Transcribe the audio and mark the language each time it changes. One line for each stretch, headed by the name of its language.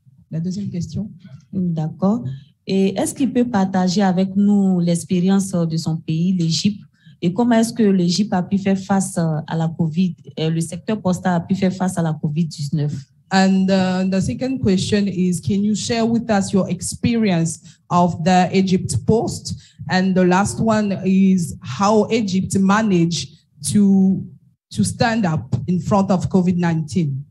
French: La deuxième question. D'accord. Et est-ce qu'il peut partager avec nous l'expérience de son pays, l'Égypte, et comment est-ce que l'Égypte a pu faire face à la COVID, le secteur postal a pu faire face à la COVID-19?
English: And the second question is, can you share with us your experience of the Egypt Post? And the last one is, how Egypt managed to stand up in front of COVID-19?